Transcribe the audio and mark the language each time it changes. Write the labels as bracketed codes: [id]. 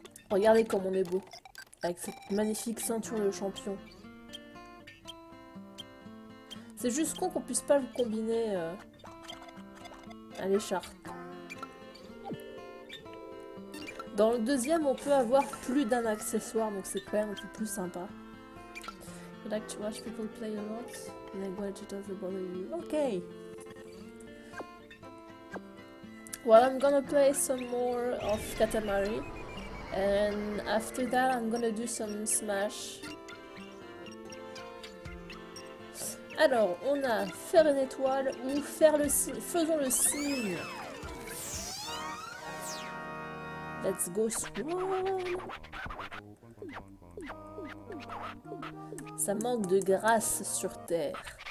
[fr] Regardez comme on est beau avec cette magnifique ceinture de champion. C'est juste con qu'on puisse pas le combiner à l'écharpe. Dans le deuxième, on peut avoir plus d'un accessoire, donc c'est quand même un peu plus sympa. [en] I like to watch people play a lot. Language doesn't bother you. Okay. Well, I'm gonna play some more of Katamari, and after that, I'm gonna do some Smash. [fr] Alors, on a faire une étoile ou faire le signe. Faisons le signe. [en] Let's go swan. [fr] Ça manque de grâce sur Terre.